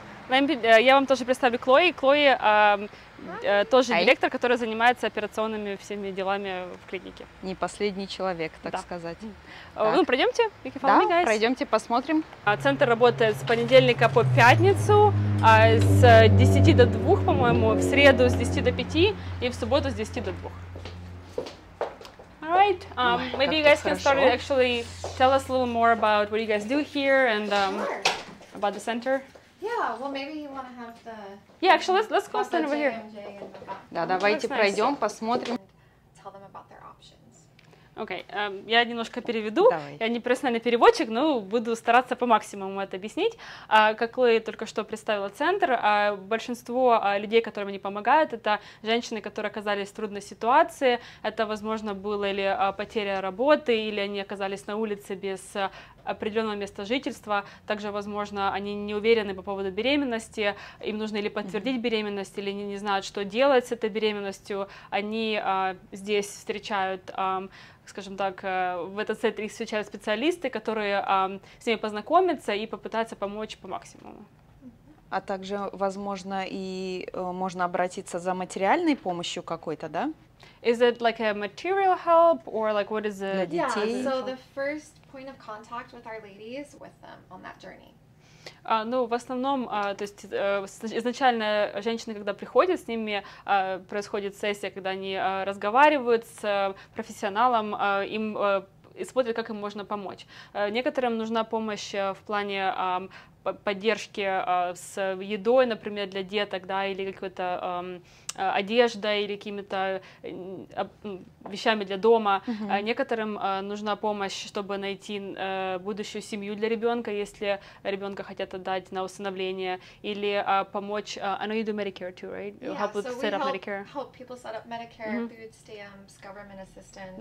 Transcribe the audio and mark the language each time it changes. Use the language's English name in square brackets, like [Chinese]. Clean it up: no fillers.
[Russian] Я вам тоже представлю Клои. Клои тоже директор, который занимается операционными всеми делами в клинике. Не последний человек, так сказать. Ну, пройдемте. Да, пройдемте, посмотрим. Центр работает с понедельника по пятницу, с 10 до 2, по-моему, в среду с 10 до 5 и в субботу с 10 до 2. [English] Alright, maybe you guys can start with actually tell us a little more about what you guys do here and about the center. Yeah, well, maybe you want to have the... Yeah, actually, let's go stand over here. [Russian] Да, давайте пройдем, посмотрим. [English] Tell them about their options. [Russian] Okay, я немножко переведу. Я не профессиональный переводчик, но буду стараться по максимуму это объяснить. Как Лэй только что представила центр, большинство людей, которым они помогают, это женщины, которые оказались в трудной ситуации. Это, возможно, было или потеря работы, или они оказались на улице без определенного места жительства. Также, возможно, они не уверены по поводу беременности, им нужно или подтвердить беременность, или они не знают, что делать с этой беременностью. Они здесь встречают, скажем так, в этот центр их встречают специалисты, которые с ними познакомятся и попытаются помочь по максимуму. А также, возможно, и можно обратиться за материальной помощью какой-то, да? [English] Is it like a material help or like what is [Russian] it? Для детей. [English] Yeah, so the first point of contact with our ladies with them on that journey. [Russian] Ну, в основном, то есть изначально женщины, когда приходят, с ними происходит сессия, когда они разговаривают с профессионалом, им и смотрят, как им можно помочь. Некоторым нужна помощь в плане поддержки с едой, например, для деток, да, или какой-то одеждой, или какими-то вещами для дома. Некоторым нужна помощь, чтобы найти будущую семью для ребенка, если ребенка хотят отдать на усыновление, или помочь... [English] I know you do Medicare too, right? Yeah, help with so set up Medicare. Help people set up Medicare, food stamps, government assistance.